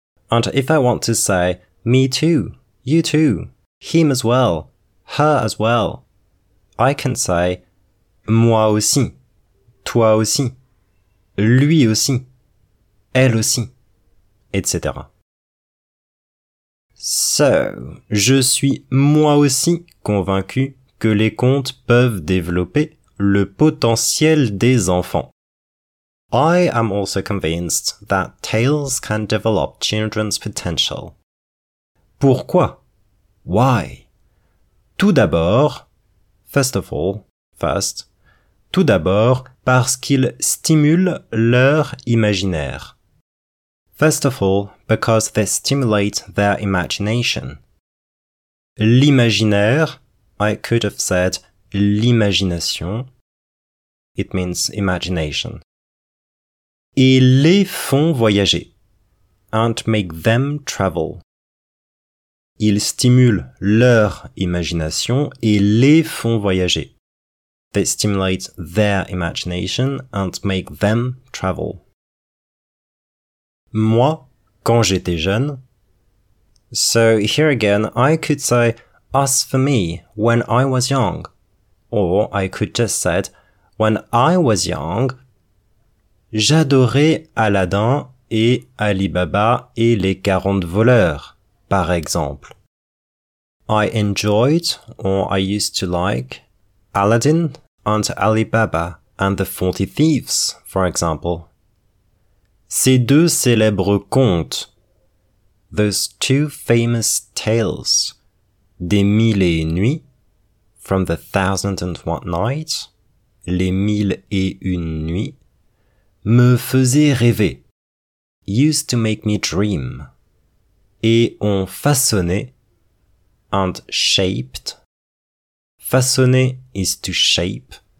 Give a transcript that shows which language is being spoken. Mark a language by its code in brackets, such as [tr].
[en] And if I want to say me too, you too, him as well, her as well, I can say [fr] moi aussi, toi aussi, lui aussi, elle aussi, [en] etc. [fr] So, je suis moi aussi convaincu que les contes peuvent développer le potentiel des enfants. [en] I am also convinced that tales can develop children's potential. [fr] Pourquoi? [en] Why? [fr] Tout d'abord, [en] first of all, first, [fr] tout d'abord parce qu'ils stimulent leur imaginaire. [en] First of all, because they stimulate their imagination. L'imaginaire, I could have said l'imagination, it means imagination. [fr] Et les font voyager, [en] and make them travel. [fr] Ils stimulent leur imagination et les font voyager. [en] They stimulate their imagination and make them travel. [fr] Moi, quand j'étais jeune. [en] So here again, I could say, as for me, when I was young. Or I could just say, when I was young, [fr] j'adorais Aladdin et Ali Baba et les 40 voleurs, par exemple. [en] I enjoyed, or I used to like, Aladdin and Ali Baba and the 40 Thieves, for example. [fr] Ces deux célèbres contes, [en] those two famous tales, [fr] des mille et une nuits, [en] from the Thousand and One Nights, [fr] les mille et une nuits, me faisaient rêver, [en] used to make me dream, [fr] et ont façonné, [en] and shaped, [fr] façonné [en] is to shape,